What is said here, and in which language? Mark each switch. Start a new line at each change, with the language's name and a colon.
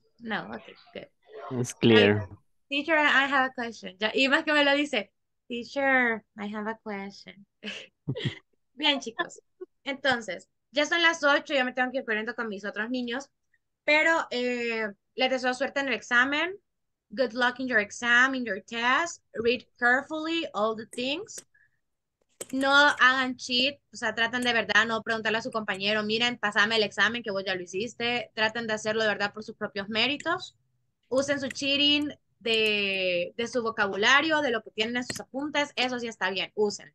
English: No, okay, good. It's clear. Teacher, I have a question.
Spanish: Ya, y más que me lo dice.
English: Teacher, I have a question.
Spanish: Bien, chicos. Entonces, ya son las 8, ya me tengo que ir corriendo con mis otros niños. Pero les deseo suerte en el examen.
English: Good luck in your exam, in your test. Read carefully all the things.
Spanish: No hagan cheat, o sea, traten de verdad no preguntarle a su compañero, miren, pásame el examen que vos ya lo hiciste. Traten de hacerlo de verdad por sus propios méritos. Usen su cheating de su vocabulario, de lo que tienen en sus apuntes, eso sí está bien, usen.